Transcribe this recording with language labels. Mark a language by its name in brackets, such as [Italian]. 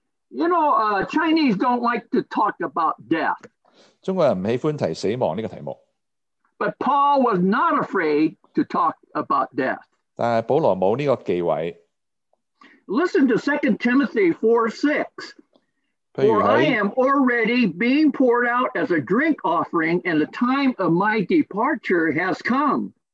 [English] You know, Chinese don't like to talk about death. [Chinese] 中国人不喜欢提死亡这个题目。 [English] But Paul was not afraid to talk about death. [Chinese] 但保罗没有这个忌讳。 [English] Listen to 2 Timothy 4, 6. For I am already being poured out as a drink offering, and the time of my departure has come.